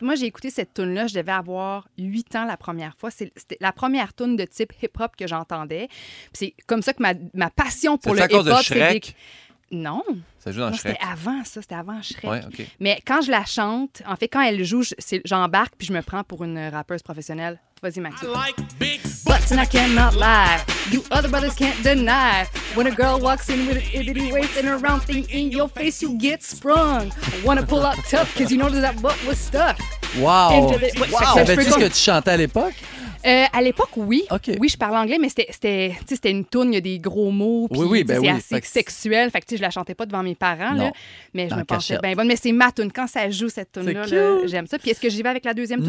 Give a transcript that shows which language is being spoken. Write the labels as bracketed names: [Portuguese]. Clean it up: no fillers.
[French] Moi, j'ai écouté cette toune-là. Je devais avoir 8 ans la première fois. C'était la première toune de type hip-hop que j'entendais. Puis c'est comme ça que ma passion pour c'est le hip-hop... C'est à cause de Shrek? Non. Ça joue dans Shrek. C'était avant ça. C'était avant Shrek. Ouais, OK. Mais quand je la chante, en fait, quand elle joue, j'embarque puis je me prends pour une rappeuse professionnelle. Vas-y, Maxime. [English] I like big butts and I cannot lie. You other brothers can't deny. When a girl walks in with an itty-bitty waist and a round thing in your face, you get sprung. Wanna pull up tough because you know that butt was stuck. Wow. [French] Savais-tu ce que tu chantais à l'époque? À l'époque, oui. Okay. Oui, je parle anglais, mais c'était une toune, il y a des gros mots, puis sexuel. Fait que, je ne la chantais pas devant mes parents, là, mais je me pensais bien bonne. Mais c'est ma toune. Quand ça joue, cette toune-là, là, j'aime ça. Puis est-ce que j'y vais avec la deuxième toune?